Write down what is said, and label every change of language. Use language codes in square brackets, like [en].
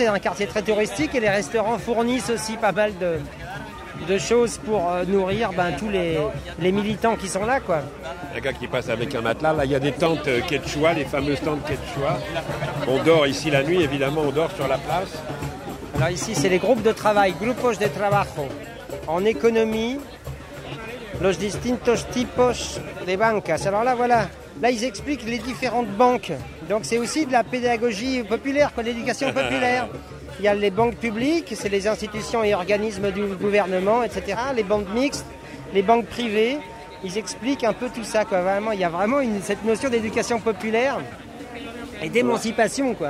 [fr] C'est un quartier très touristique et les restaurants fournissent aussi pas mal de choses pour nourrir tous les militants qui sont là, quoi. Il y a un gars qui passe avec un matelas. Là, il y a des tentes quechua, les fameuses tentes quechua. On dort ici la nuit, évidemment, on dort sur la place. Alors ici, c'est les groupes de travail, [es] grupos de trabajo, [fr] en économie. [es] Los distintos tipos de bancas. [fr] Alors là, voilà. Là, ils expliquent les différentes banques. Donc, c'est aussi de la pédagogie populaire, quoi, l'éducation populaire. Il y a les banques publiques, c'est les institutions et organismes du gouvernement, etc. Les banques mixtes, les banques privées. Ils expliquent un peu tout ça, quoi. Vraiment, il y a vraiment cette notion d'éducation populaire et d'émancipation, quoi.